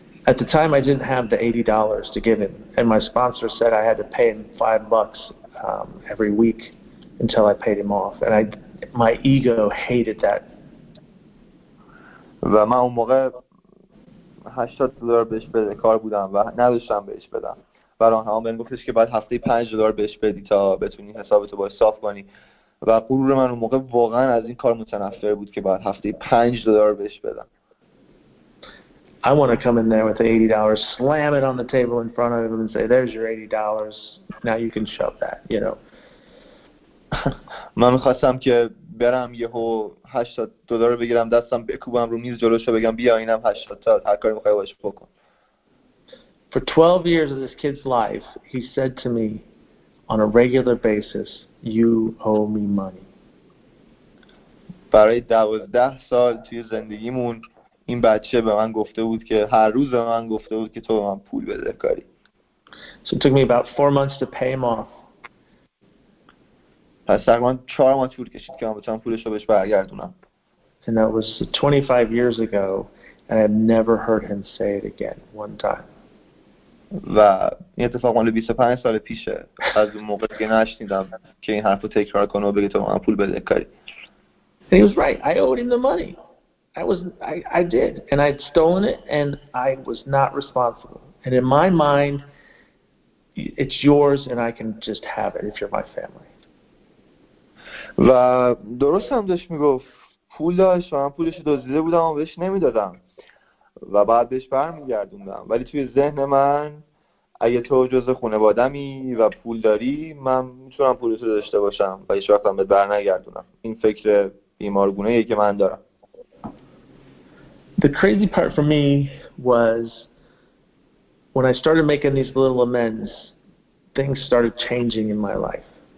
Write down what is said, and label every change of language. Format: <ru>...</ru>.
<en>At the time, I didn't have the $80 to give him, and my sponsor said I had to pay him $5 every week until I paid him off. And my ego hated that.</en> <fa>و من اون موقع $80 بهش بده کار بودم و نداشتم بهش بدم. و راهنما بهم گفتش که باید هفته $5 بهش بدی تا بتونی حسابتو باید صاف کنی. و غرور من اون موقع واقعا از این کار متنفر بود که باید هفته $5 بهش بدم.</fa> <en>I want to come in there with the $80, slam it on the table in front of him and say, there's your $80, now you can shove that, you know.</en> <fa>من می‌خواستم که برم یه هو 80 دلار بگیرم دستم بکوبم رو میز جلوش رو بگم بیا اینم 80 تا هر کاری میخوای باش بکن.</fa> <en>For 12 years of this kid's life, he said to me on a regular basis, you owe me money.</en> <fa>برای 12 سال توی زندگیمون این بچه به من گفته بود که هر روز به من گفته بود که تو به من پول بده کاری.</fa> <en>So it took me about 4 months to pay him off.</en> <fa>پس تقریبا 4 ماه طول کشید که من بتونم پولش رو بهش برگردونم.</fa> <en>And that was 25 years ago and I've never heard him say it again one time.</en> <fa>و این اتفاق مال 25 سال پیشه. از اون موقع دیگه نشنیدم که این حرفو تکرار کنه و بگه تو من پول بده کاری.</fa> <en>He was right. I owed him the money. I did, and I'd stolen it, and I was not responsible. And in my mind, it's yours, and I can just have it if you're my family.</en> <fa>و درست هم داشت میگفت پول داشت و من پولش دزدیده بودم و بهش نمیدادم و بعد بهش برمیگردوندم. ولی توی ذهن من اگه تو جزء خانواده‌می و پول داری من میتونم پولش رو داشته باشم و هیچ وقت هم بهت برنگردونم. این فکر بیمارگونه یه که من دارم.</fa> <en>The crazy part for me was when I started making these little amends, things started changing in my life.</en>